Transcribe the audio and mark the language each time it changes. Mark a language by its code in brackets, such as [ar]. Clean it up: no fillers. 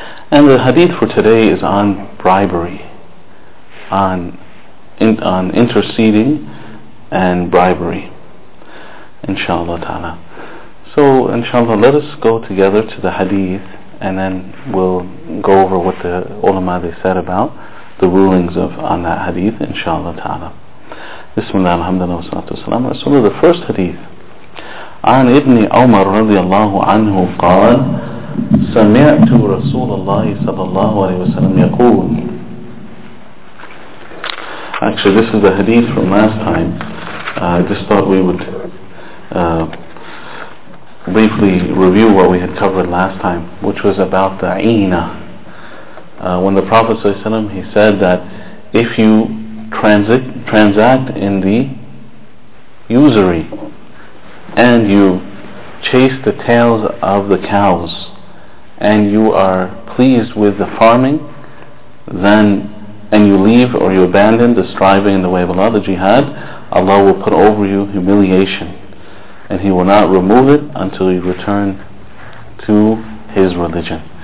[en] And the hadith for today is on bribery, on interceding and bribery, inshallah ta'ala. So inshallah, let us go together to the hadith, and then we'll go over what the ulama, they said about the rulings of on that hadith, inshallah ta'ala. Bismillah, alhamdulillah, wa salatu wa salam. So the first hadith, [ar] عن ابن عمر رضي الله عنه قال سمعت رسول الله صلى الله عليه وسلم يقول. [en] Actually, this is the hadith from last time. I just thought we would briefly review what we had covered last time, which was about the Aina. When the Prophet ﷺ, he said that if you transact in the usury and you chase the tails of the cows and you are pleased with the farming, then and you leave or you abandon the striving in the way of Allah, the jihad, Allah will put over you humiliation, and He will not remove it until you return to His religion.